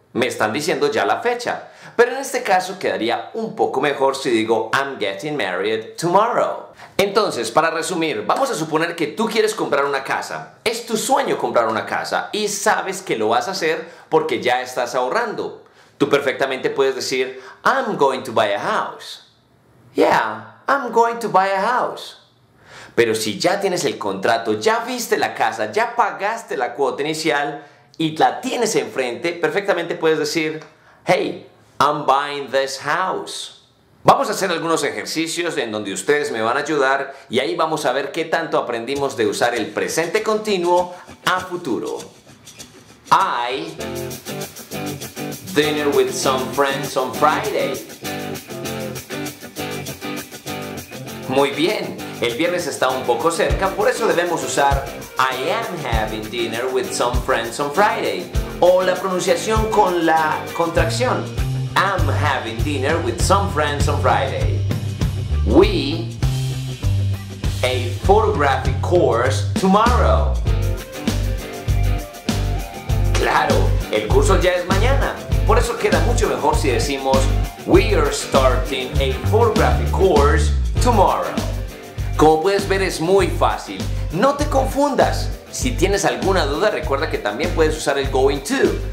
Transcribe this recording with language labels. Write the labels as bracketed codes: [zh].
[es] Me están diciendo ya la fecha. Pero en este caso quedaría un poco mejor si digo, I'm getting married tomorrow. Entonces, para resumir, vamos a suponer que tú quieres comprar una casa. Es tu sueño comprar una casa y sabes que lo vas a hacer porque ya estás ahorrando. Tú perfectamente puedes decir, I'm going to buy a house. [en] Yeah, I'm going to buy a house. [es] Pero si ya tienes el contrato, ya viste la casa, ya pagaste la cuota inicial y la tienes enfrente, perfectamente puedes decir, hey, I'm buying this house. Vamos a hacer algunos ejercicios en donde ustedes me van a ayudar y ahí vamos a ver qué tanto aprendimos de usar el presente continuo a futuro. [en] I dinner with some friends on Friday. [es] Muy bien, el viernes está un poco cerca, por eso debemos usar I am having dinner with some friends on Friday. O la pronunciación con la contracción. [en] I'm having dinner with some friends on Friday. We a photographic course tomorrow. [es] Claro, el curso ya es mañana. Por eso queda mucho mejor si decimos we are starting a photographic course tomorrow. Como puedes ver, es muy fácil. No te confundas. Si tienes alguna duda, recuerda que también puedes usar el going to.